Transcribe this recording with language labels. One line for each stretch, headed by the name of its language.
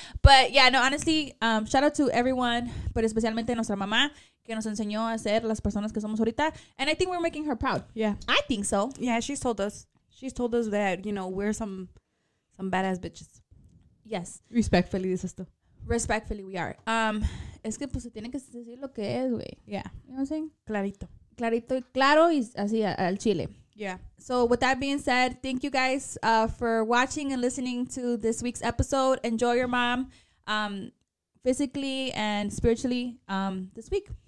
English: But yeah, no, honestly, shout out to everyone, but
Spanish: especialmente nuestra mamá que nos enseñó a ser las personas que somos ahorita.
English: And I think we're making her proud. Yeah. I think so. Yeah, she's told us. She's told us that, you know, we're some badass bitches. Yes.
Spanish: Respectfully, dices tú.
English: Respectfully, we are.
Spanish: Es que, pues, se tiene que decir lo que es, güey.
English: Yeah. You know what I'm saying?
Spanish: Clarito. Clarito y claro y así al chile.
English: Yeah. So, with that being said, thank you guys for watching and listening to this week's episode. Enjoy your mom physically and spiritually this week.